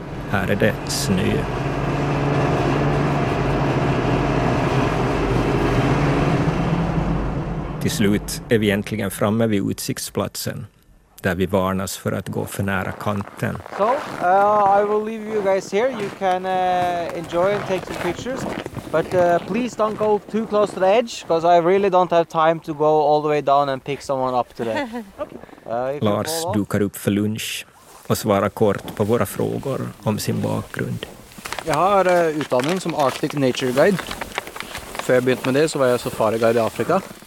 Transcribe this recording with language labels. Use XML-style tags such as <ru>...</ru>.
<sv>Här är det snö. Till slut är vi egentligen framme vid utsiktsplatsen, där vi varnas för att gå för nära kanten.</sv> <en>So, I will leave you guys here. You can enjoy and take some pictures. But please don't go too close to the edge, because I really don't have time to go all the way down and pick someone up today.</en> <sv>Lars dukar upp för lunch och svarar kort på våra frågor om sin bakgrund. Jag har utbildning som Arctic Nature Guide. Före jag började med det så var jag safari guide i Afrika.</sv>